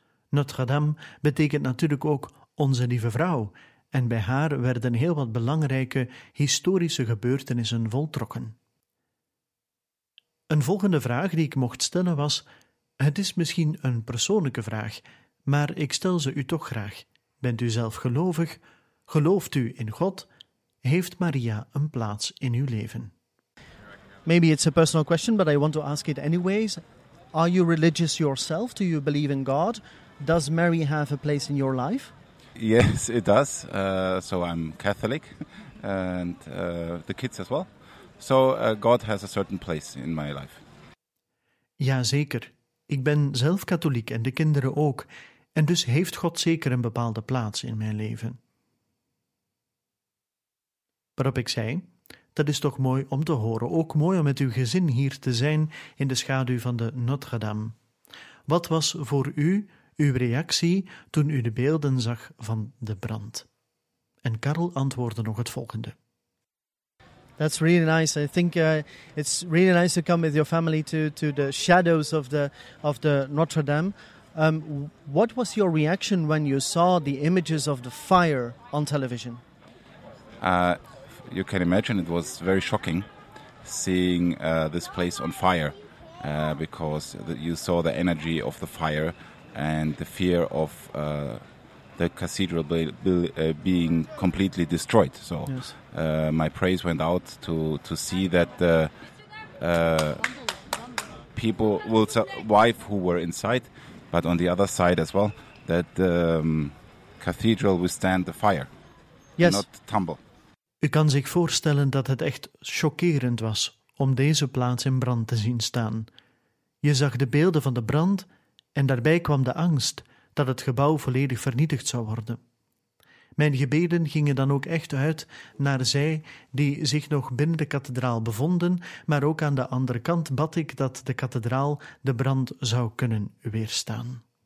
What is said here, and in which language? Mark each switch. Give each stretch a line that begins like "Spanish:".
Dutch: Notre-Dame betekent natuurlijk ook Onze Lieve Vrouw, en bij haar werden heel wat belangrijke historische gebeurtenissen voltrokken. Een volgende vraag die ik mocht stellen was, het is misschien een persoonlijke vraag, maar ik stel ze u toch graag. Bent u zelf gelovig? Gelooft u in God? Heeft Maria een plaats in uw leven?
English: Maybe it's a personal question, but I want to ask it anyways. Are you religious yourself? Do you believe in God? Does Mary have a place in your life? Yes, it does. So I'm Catholic and the kids as well. So God has a certain place in my life.
Dutch: Ja, zeker. Ik ben zelf katholiek en de kinderen ook. En dus heeft God zeker een bepaalde plaats in mijn leven. Waarop ik zei, dat is toch mooi om te horen. Ook mooi om met uw gezin hier te zijn in de schaduw van de Notre-Dame. Wat was voor u uw reactie toen u de beelden zag van de brand? En Karel antwoordde nog het volgende.
English: That's really nice. I think it's really nice to come with your family to the shadows of the Notre Dame. What was your reaction when you saw the images of the fire on television? You can imagine it was very shocking seeing this place on fire because you saw the energy of the fire and the fear of the cathedral being completely destroyed. So yes. My praise went out to see that the people, well, wife who were inside, but on the other side as well, that the cathedral withstand the fire, yes, not tumble.
Dutch: U kan zich voorstellen dat het echt chockerend was om deze plaats in brand te zien staan. Je zag de beelden van de brand en daarbij kwam de angst dat het gebouw volledig vernietigd zou worden. Mijn gebeden gingen dan ook echt uit naar zij die zich nog binnen de kathedraal bevonden, maar ook aan de andere kant bad ik dat de kathedraal de brand zou kunnen weerstaan.